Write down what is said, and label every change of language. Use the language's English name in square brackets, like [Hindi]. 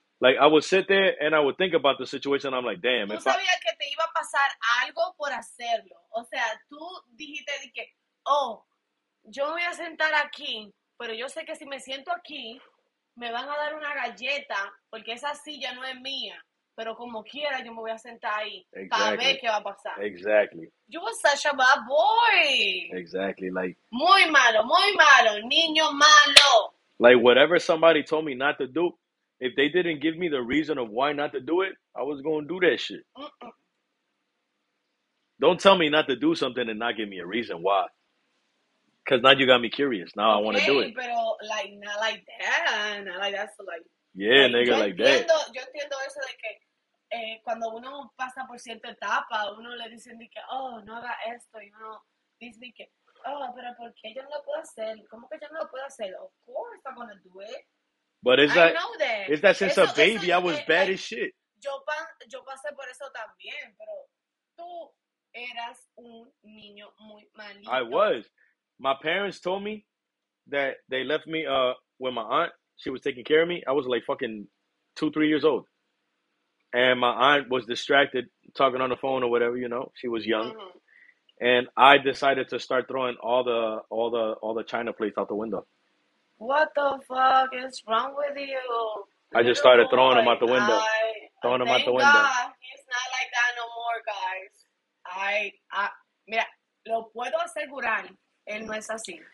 [English] Like, I would sit there and I would think about the situation. And I'm like, damn. [Spanish] Tú sabías que te iba a pasar algo por hacerlo. O sea, tú dijiste de que, oh, yo me voy a sentar aquí, pero yo sé que si me siento aquí, me van a dar una galleta porque esa silla no es mía. Pero como quiera, yo me voy a sentar ahí para ver qué va a pasar. [English] Exactly. You were such a bad boy. Exactly. Like, [Spanish] muy malo, muy malo. Niño malo. [English] Like, whatever somebody told me not to do, if they didn't give me the reason of why not to do it, I was going to do that shit. Mm-mm. Don't tell me not to do something and not give me a reason why. Because now you got me curious. Now okay, I want to do it. [Spanish] Pero, [English] like, not like that. Not like that. So, like, yeah, like, nigga, like [Spanish] entiendo, [English] that. [Spanish] Yo entiendo eso de que cuando uno pasa por cierta etapa, uno le dicen de que, oh, no haga esto. Y uno dice de que, oh, pero ¿por qué yo no lo puedo hacer? ¿Cómo que yo no lo puedo hacer? [English] Of course I'm going to do it. But it's like, that. It's that since a baby, I was bad as shit. [Spanish] Yo pasé por eso también, pero tú eras un niño muy malito. [English] I was. My parents told me that they left me with my aunt. She was taking care of me. I was like fucking 2-3 years old. And my aunt was distracted talking on the phone or whatever, you know. She was young. Mm-hmm. And I decided to start throwing all the china plates out the window. What the fuck is wrong with you? I just started throwing him out the window. Throwing him out the window. Thank God, he's not like that no more, guys. [Spanish] Mira, lo puedo asegurar, él no es así.